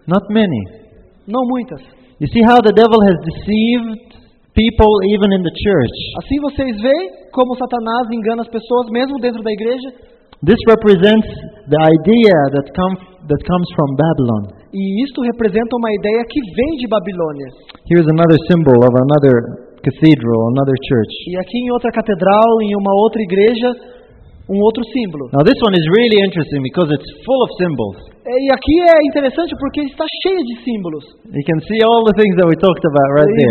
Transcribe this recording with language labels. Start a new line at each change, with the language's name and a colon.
English: Not many.
Portuguese: Não muitas.
English: You see how the devil has deceived people even in the church.
Portuguese: Assim vocês veem como Satanás engana as pessoas mesmo dentro da igreja?
English: This represents the idea that comes from Babylon.
Portuguese: E isto representa uma ideia que vem de Babilônia.
English: Here is another symbol of another cathedral, another church.
Portuguese: E aqui em outra catedral, em uma outra igreja, um outro símbolo.
English: Now this one is really interesting because it's full of symbols.
Portuguese: E aqui é interessante porque está cheio de símbolos.
English: You can see all the things that we talked about right there.